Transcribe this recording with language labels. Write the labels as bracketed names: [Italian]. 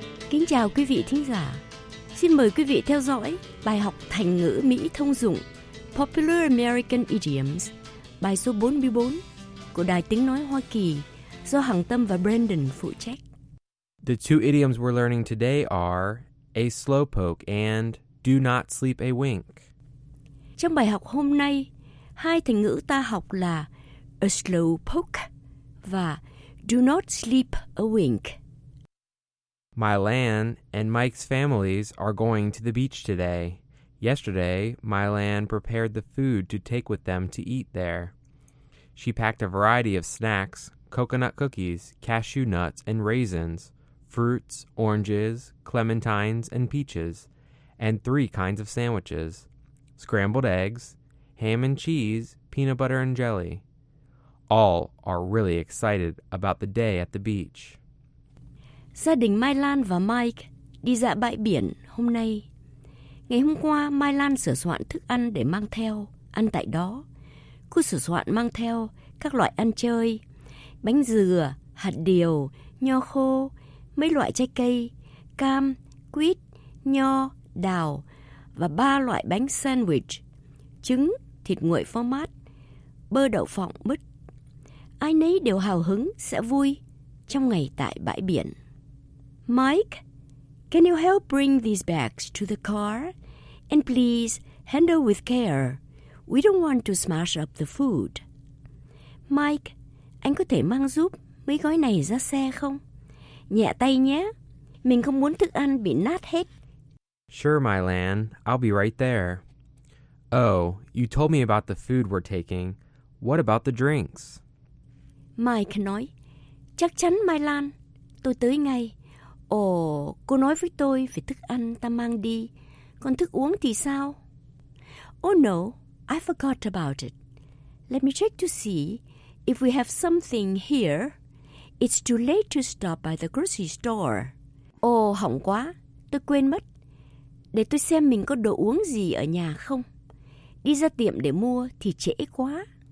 [Vietnamese] Kính chào quý vị thính giả. Xin mời quý vị theo dõi bài học thành ngữ Mỹ thông dụng Popular American Idioms, bài số 44 của Đài Tiếng Nói Hoa Kỳ do Hằng Tâm và Brandon phụ trách. [English] The two idioms we're learning today are a slowpoke and do not sleep a wink. [Vietnamese] Trong bài học hôm nay, hai thành ngữ ta học là a slowpoke và do not sleep a wink. [English] Mylan and Mike's families are going to the beach today. Yesterday, Mylan prepared the food to take with them to eat there. She packed a variety of snacks, coconut cookies, cashew nuts and raisins, fruits, oranges, clementines and peaches, and 3 kinds of sandwiches, scrambled eggs, ham and cheese, peanut butter and jelly. All are really excited about the day at the beach. [Vietnamese] Gia đình Mai Lan và Mike đi dạo bãi biển hôm nay. Ngày hôm qua, Mai Lan sửa soạn thức ăn để mang theo, ăn tại đó. Cô sửa soạn mang theo các loại ăn chơi, bánh dừa, hạt điều, nho khô, mấy loại trái cây, cam, quýt, nho, đào và 3 loại bánh sandwich, trứng, thịt nguội phô mát, bơ đậu phộng, mứt. Ai nấy đều hào hứng sẽ vui trong ngày tại bãi biển. [English] Mike, can you help bring these bags to the car? And please, handle with care. We don't want to smash up the food. [Vietnamese] Mike, anh có thể mang giúp mấy gói này ra xe không? Nhẹ tay nhé. Mình không muốn thức ăn bị nát hết. [English] Sure, my Lan. I'll be right there. Oh, you told me about the food we're taking. What about the drinks? [Vietnamese] Mike nói, chắc chắn Mai Lan, tôi tới ngay. Ồ, cô nói với tôi về thức ăn ta mang đi. Còn thức uống thì sao? [English] Oh no, I forgot about it. Let me check to see if we have something here. It's too late to stop by the grocery store. [Vietnamese] Ồ, hỏng quá, tôi quên mất. Để tôi xem mình có đồ uống gì ở nhà không. Đi ra tiệm để mua thì trễ quá.